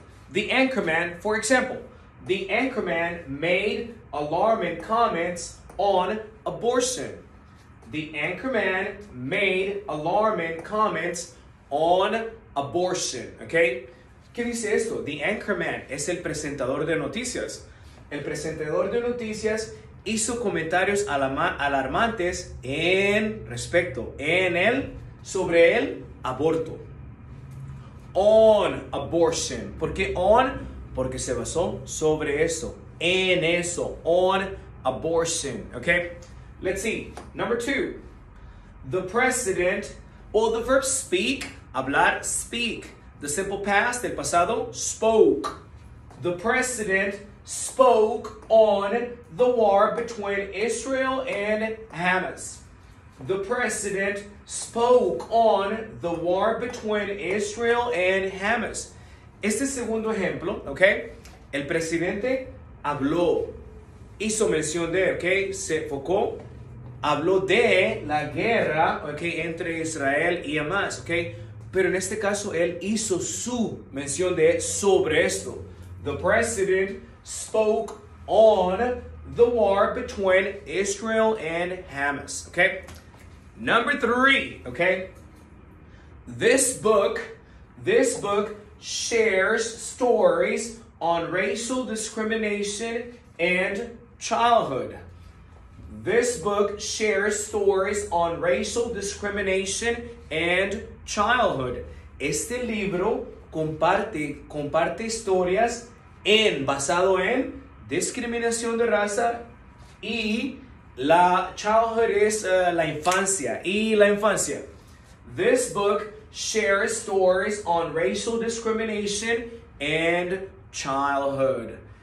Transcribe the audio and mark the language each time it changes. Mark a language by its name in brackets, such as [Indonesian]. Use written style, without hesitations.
[English] The anchorman, for example, the anchorman made alarming comments on abortion. The anchorman made alarming comments on abortion, ok? [Spanish] ¿Qué dice esto? [English] The anchorman [Spanish] es el presentador de noticias. El presentador de noticias hizo comentarios alarmantes en respecto, en el, sobre el aborto. [English] On abortion. [Spanish] ¿Por qué on? Porque se basó sobre eso, en eso. [English] On abortion. Okay? Let's see. Number two. The president, well, the verb speak, [Spanish] hablar, [English] speak. The simple past, [Spanish] el pasado, [English] spoke. The president spoke on the war between Israel and Hamas. The president spoke on the war between Israel and Hamas. [Spanish] Este segundo ejemplo, okay? El presidente habló, hizo mención de, okay? Se enfocó, habló de la guerra, okay, entre Israel y Hamas, okay? Pero en este caso, él hizo su mención de sobre esto. [English] The president spoke on the war between Israel and Hamas. Okay? Number three, okay? This book shares stories on racial discrimination and childhood. This book shares stories on racial discrimination and childhood. [Spanish] Este libro comparte historias en, basado en, discriminación de raza y la childhood es la infancia, y la infancia. [English] This book shares stories on racial discrimination and childhood.